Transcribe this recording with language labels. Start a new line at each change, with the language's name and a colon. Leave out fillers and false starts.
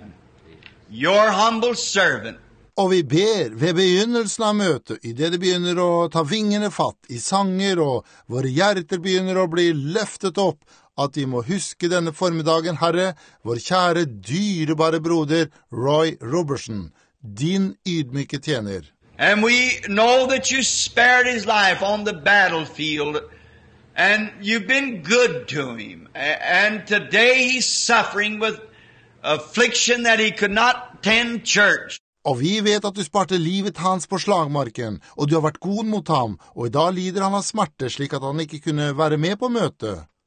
English: Amen. Your humble servant.
Norwegian: Og vi ber ved begynnelsen av møtet, i det det begynner å ta vingene fatt i sanger, og våre hjerter begynner å bli løftet opp, at vi må huske denne formiddagen, Herre, vår kjære, dyrebare broder, Roy Roberson, din ydmyke tjener.
English: And we know that you spared his life on the battlefield, and you've been good to him, and today he's suffering with affliction that he could not attend church.
Norwegian: Og vi vet at du sparte livet hans på slagmarken, og du har vært god mot ham, og i dag lider han av smerte slik at han ikke kunne være med på møtet.